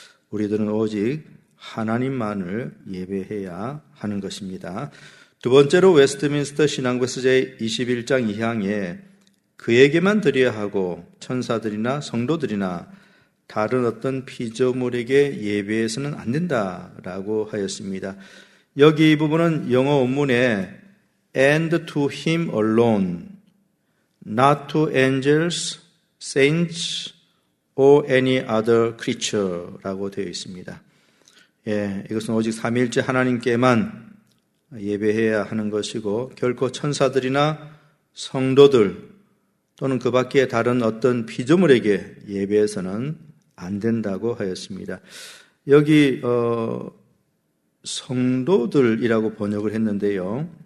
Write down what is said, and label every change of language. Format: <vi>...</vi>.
<ko>우리들은 오직 하나님만을 예배해야 하는 것입니다. 두 번째로 웨스트민스터 신앙고백서 제21장 2항에 그에게만 드려야 하고 천사들이나 성도들이나 다른 어떤 피조물에게 예배해서는 안 된다라고 하였습니다. 여기 이 부분은 영어 원문에</ko> <en>and to him alone, not to angels, saints, or any other creature</en> <ko>라고 되어 있습니다. 예, 이것은 오직 삼위일체 하나님께만 예배해야 하는 것이고 결코 천사들이나 성도들 또는 그 밖에 다른 어떤 피조물에게 예배해서는 안 된다고 하였습니다. 여기 성도들이라고 번역을 했는데요.</ko>